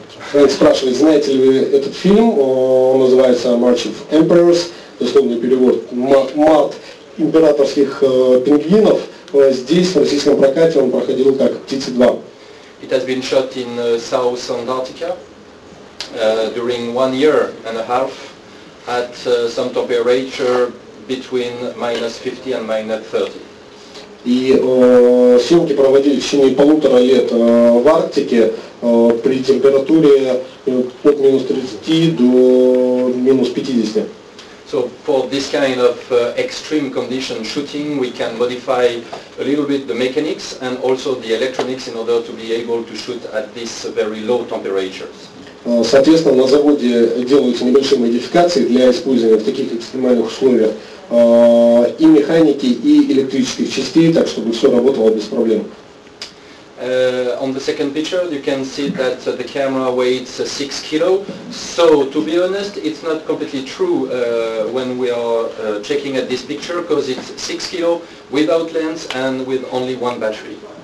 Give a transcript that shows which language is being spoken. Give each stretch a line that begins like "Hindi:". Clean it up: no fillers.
Russian: Фрэнк спрашивает, знаете ли вы этот фильм, он называется March of Emperors, дословный перевод, март императорских пингвинов, здесь, в российском прокате, он проходил как Птицы 2.
English: It has been shot in South Antarctica during 1.5 years at some temperature between minus 50 and minus 30.
Russian: И съемки проводились в течение полутора лет в Арктике при температуре от минус 30 до минус 50.
English: So for this kind of extreme condition shooting, we can modify a little bit the mechanics and also the electronics in order to be able to shoot at these very low temperatures.
Russian: Соответственно, на заводе делаются небольшие модификации для использования в таких экстремальных условиях и механики, и электрических частей, так чтобы все работало без проблем.
English: On the second picture, you can see that the camera weighs 6 kilo. So, to be honest, it's not completely true when we are checking at this picture, because it's 6 kilo without lens and with only one battery.